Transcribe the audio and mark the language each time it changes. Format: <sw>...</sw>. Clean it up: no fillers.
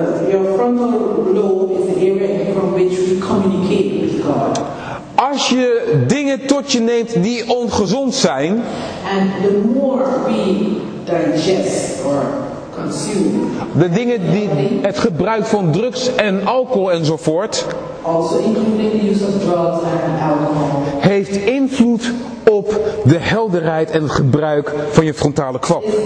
<en>Your frontal lobe is the area from which we communicate with God.</en> <nl>Als je dingen tot je neemt die ongezond zijn,</nl> <en>and the more we digest or consume,</en> <nl>de dingen die het gebruik van drugs en alcohol enzovoort,</nl> <en>also including the use of drugs and alcohol,</en> <nl>heeft invloed op de helderheid en het gebruik van je frontale kwab.</nl>